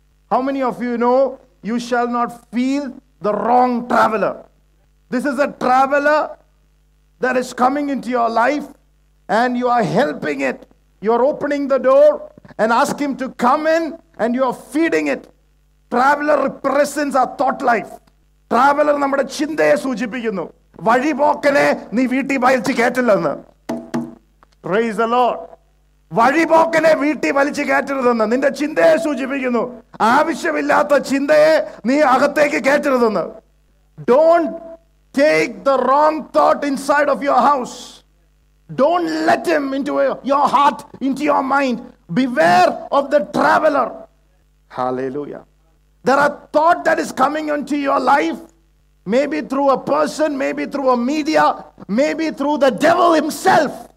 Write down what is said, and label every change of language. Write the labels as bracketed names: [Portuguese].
[English] How many of you know you shall not feed the wrong traveler? This is a traveler that is coming into your life and you are helping it. You are opening the door and ask him to come in and you are feeding it. Traveler represents our thought life. [Malayalam] Traveler നമ്മുടെ ചിന്തയെ സൂചിപ്പിക്കുന്നു. വഴിപോക്കനെ നീ വീട്ടിൽ വലിച്ചു കയറ്റല്ലെന്ന്. [English] Praise the Lord. [Malayalam] വഴിപോക്കനെ വീട്ടിൽ വലിച്ചു കയറ്റരുതെന്ന് നിന്റെ ചിന്തയെ സൂചിപ്പിക്കുന്നു. ആവശ്യമില്ലാത്ത ചിന്തയെ നീ അകത്തേക്ക് കയറ്റരുതെന്ന്. [English] Don't take the wrong thought inside of your house. Don't let him into your heart, into your mind. Beware of the traveler. Hallelujah. There are thought that is coming into your life, maybe through a person, maybe through a media, maybe through the devil himself.